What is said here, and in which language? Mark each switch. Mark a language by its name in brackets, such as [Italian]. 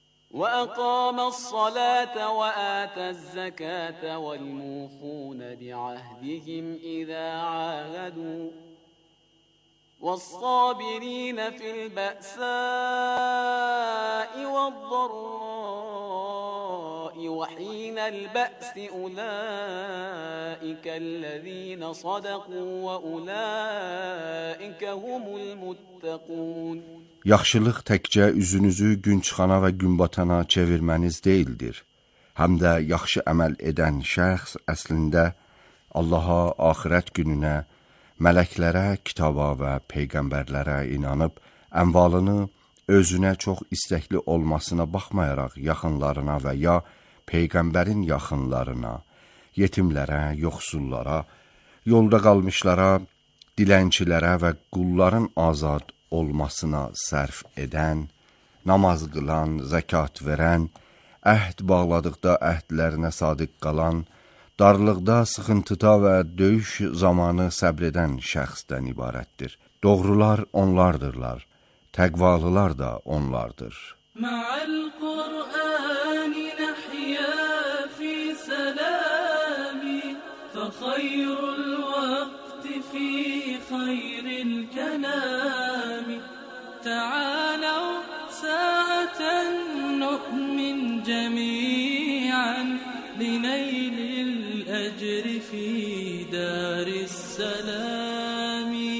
[Arabic] وأقام الصلاة وآتى الزكاة والموفون بعهدهم إذا عاهدوا والصابرين في البأساء والضراء وحين البأس أولئك الذين صدقوا وأولئك هم المتقون. [Azerbaijani] Yaxşılıq təkcə üzünüzü gün çıxana və gün batana çevirməniz deyildir. Həm də yaxşı əməl edən şəxs əslində Allaha, axirət gününə, mələklərə, kitaba və peyğəmbərlərə inanıb, əmvalını özünə çox istəkli olmasına baxmayaraq yaxınlarına və ya peyğəmbərin yaxınlarına, yetimlərə, yoxsullara, yolda qalmışlara, dilənçilərə və qulların azad olmasına sərf edən, namaz qılan, zəkat verən, əhd bağladıqda əhdlərinə sadiq qalan, darlıqda sıxıntıda və döyüş zamanı səbredən şəxsdən ibarətdir. Doğrular onlardırlar, təqvalılar da onlardır. [Arabic] Mə'al-Qur'ani nəhiyyə fi sələmi fəxayrul-vəqti fi xayril-kəlami تعالوا ساعة نؤمن جميعا لنيل الأجر في دار السلام